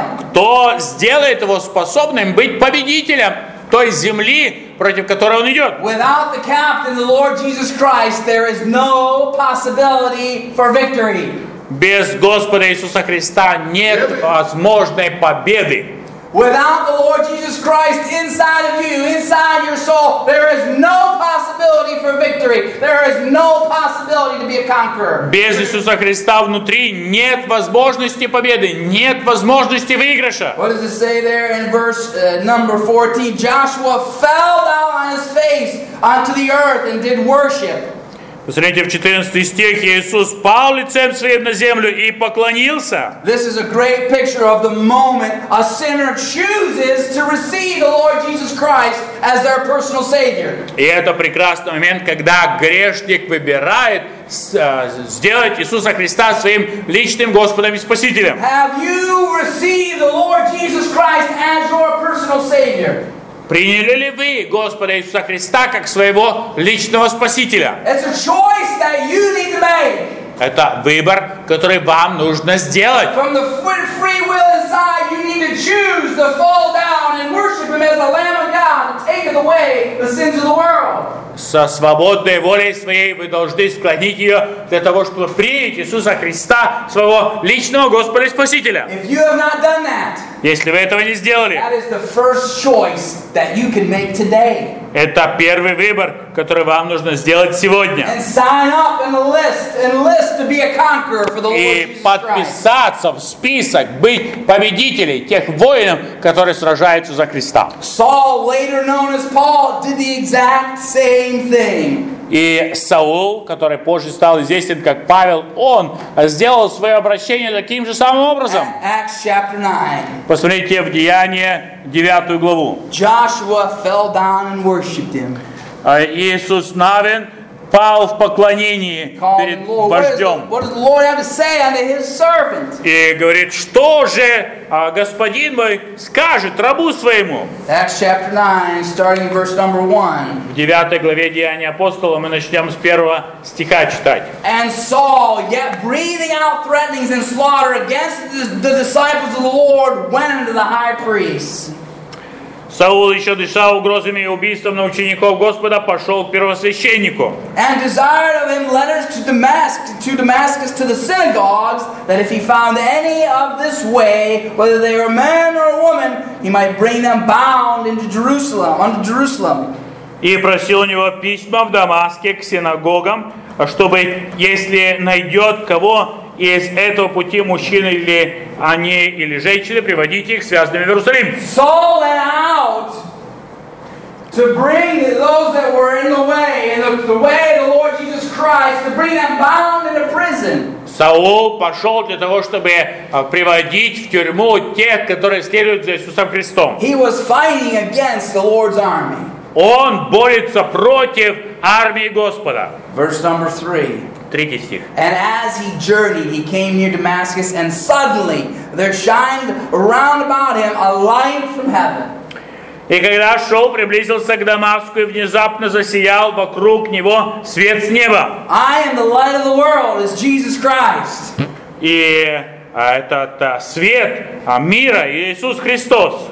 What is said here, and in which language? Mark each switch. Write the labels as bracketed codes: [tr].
[ru] Кто сделает его способным быть победителем той земли, против которой он идет. [en] Without the captain, the Lord Jesus Christ, there is no possibility for victory. [ru] Без Господа Иисуса Христа нет возможной победы. [en] Without the Lord Jesus Christ inside of you, inside your soul, there is no possibility for victory. There is no possibility to be a conqueror. [ru] Без Иисуса Христа внутри нет возможности победы, нет возможности выигрыша. [en] What does it say there in verse number 14? Joshua fell down on his face onto the earth and did worship. [ru] Посмотрите, в 14 стихе Иисус пал лицем своим на землю и поклонился. [en] This is a great picture of the moment a sinner chooses to receive the Lord Jesus Christ as their personal Savior. [ru] И это прекрасный момент, когда грешник выбирает сделать Иисуса Христа своим личным Господом и Спасителем. [en] Have you received the Lord Jesus Christ as your personal Savior? [ru] Приняли ли вы Господа Иисуса Христа как своего личного Спасителя? [en] It's a choice that you need to make. [ru] Это выбор, который вам нужно сделать. [en] From the free will inside, you need to choose to fall down and worship Him as the Lamb of God and take away the sins of the world. [ru] Со свободной волей своей вы должны склонить ее для того, чтобы принять Иисуса Христа, своего личного Господа и Спасителя. [en] If you have not done that, [ru] если вы этого не сделали, [en] that is the first choice that you can make today. [ru] Это первый выбор, который вам нужно сделать сегодня. [en] And sign up in the list, enlist to be a conqueror for the Lord. [ru] И подписаться в список, быть победителей, тех воинов, которые сражаются за Христа. [en] Saul, later known as Paul, did the exact same thing. [ru] И Саул, который позже стал известен как Павел, он сделал свое обращение таким же самым образом. [en] Acts chapter 9. [ru] Посмотрите в Деяния 9 главу. [en] Joshua fell down and worshipped him. [ru] Иисус Навин пал в поклонении перед вождем. [en] What does the Lord have to say unto his servant? [ru] И говорит, что же господин мой скажет рабу своему? [en] Acts chapter 9, starting verse number 1. [ru] В 9 главе Деяния Апостола мы начнем с 1 стиха читать. [en] And Saul, yet breathing out threatenings and slaughter against the disciples of the Lord, went unto the high priest. [ru] Саул еще дышал угрозами и убийством на учеников Господа, пошел к первосвященнику. [en] And desired of him letters to Damascus, to the synagogues, that if he found any of this way, whether they were man or woman, he might bring them bound into Jerusalem, unto Jerusalem. [ru] И просил у него письма в Дамаске к синагогам, чтобы, если найдет кого из этого пути, мужчины или они, или женщины, приводить их связанными в Иерусалим. [en] Saul went out to bring those that were in the way, in the way of the Lord Jesus Christ, to bring them bound into prison. [ru] Саул пошел для того, чтобы приводить в тюрьму тех, которые следуют за Иисусом Христом. [en] He was fighting against the Lord's army. [ru] Он борется против армии Господа. [en] Verse number 3. [ru] 3 стих. [en] And as he journeyed, he came near Damascus, and suddenly there shined round about him a light from heaven. [ru] И когда шел, приблизился к Дамаску, и внезапно засиял вокруг него свет с неба. [en] I am the light of the world, is Jesus Christ. [ru] И этот свет мира Иисус Христос.